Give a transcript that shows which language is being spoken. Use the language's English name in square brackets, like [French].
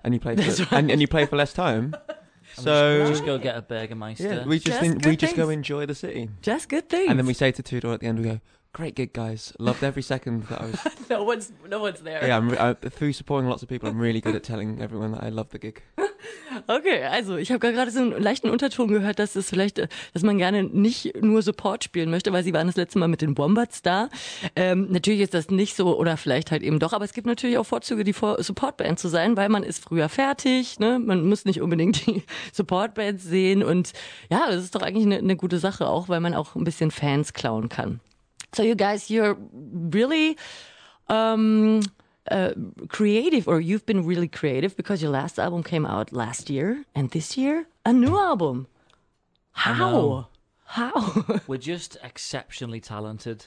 [English] And you play and you play for less time. So just go get a Burgermeister. Yeah, we just go enjoy the city. Just good things. And then we say to Tudor at the end, we go, great gig, guys. Loved every second that I was. no one's there. Yeah, through supporting lots of people, I'm really good at telling everyone that I love the gig. [German] Okay, also ich habe gerade so einen leichten Unterton gehört, dass es vielleicht, dass man gerne nicht nur Support spielen möchte, weil sie waren das letzte Mal mit den Wombats da. Natürlich ist das nicht so oder vielleicht halt eben doch, aber es gibt natürlich auch Vorzüge, die Supportband zu sein, weil man ist früher fertig, ne? Man muss nicht unbedingt die Supportband sehen und ja, das ist doch eigentlich eine gute Sache auch, weil man auch ein bisschen Fans klauen kann. [English] So you guys, you're really creative, or you've been really creative because your last album came out last year, and this year a new album. How? We're just exceptionally talented.